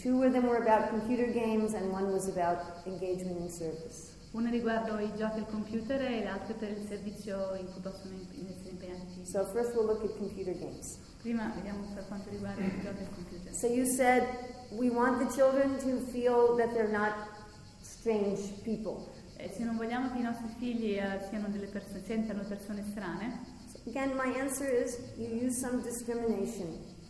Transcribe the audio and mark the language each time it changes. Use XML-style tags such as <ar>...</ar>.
<en>Two of them were about computer games and one was about engagement in service.</en> <it>Una riguardo i giochi al computer e l'altra per il servizio in cui possono essere impegnati.</it> <en>So first we'll look at computer games.</en> <it>Prima vediamo per quanto riguarda i giochi al computer.</it> <en>So you said we want the children to feel that they're not strange people.</en> <it>E se non vogliamo che i nostri figli siano delle persone, sentano persone strane.</it> <en>So again, my answer is you use some discrimination.</en>